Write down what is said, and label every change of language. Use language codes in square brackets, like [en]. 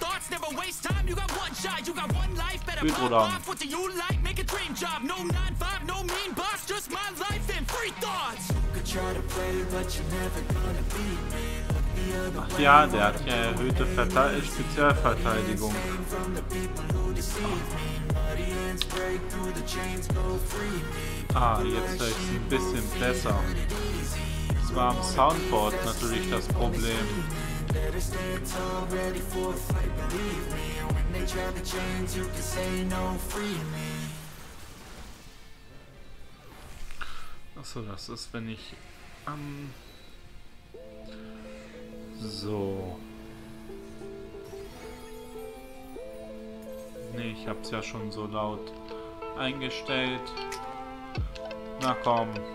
[en] Never waste time, you got one shot, you got one life, better pop off. What do you like? Make a dream job. No 9-5, no mean boss, just my life and free thoughts. Could try to play, but you're never gonna beat me. [de] Ach ja, der hat ja erhöhte Spezialverteidigung. Ah, jetzt ist es ein bisschen besser. Es war am Soundboard natürlich das Problem. [en] Let us stand tall, ready for a fight, believe me. When they try the chains, you can say no, free me. [de] Achso, das ist, wenn ich so. Nee, ich hab's ja schon so laut eingestellt. Na komm.